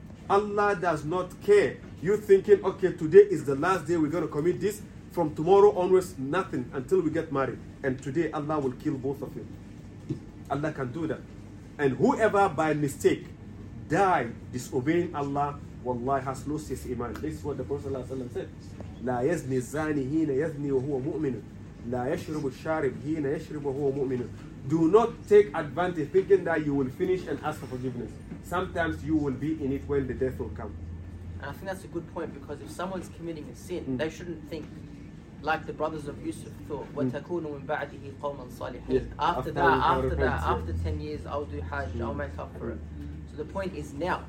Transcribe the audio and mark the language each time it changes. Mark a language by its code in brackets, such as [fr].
[en] Allah does not care. You thinking, okay, today is the last day we're going to commit this. From tomorrow onwards, nothing until we get married. And today Allah will kill both of you. Allah can do that. And whoever by mistake die disobeying Allah, Wallahi has lost his iman. This is what the Prophet Sallallahu Alaihi Wasallam said. [ar] لا يزني الزاني هنا يزني وهو مؤمن لا يشرب الشارب هنا يشرب وهو مؤمن. [en] Do not take advantage thinking that you will finish and ask for forgiveness. Sometimes you will be in it when the death will come. And I think that's a good point, because if someone's committing a sin, they shouldn't think like the brothers of Yusuf thought, [ar] وَتَكُونُ مِنْ بَعْدِهِ قَوْمًا صَالِحِينَ. [en] After 10 years I'll do hajj, I'll make up for it. So the point is now.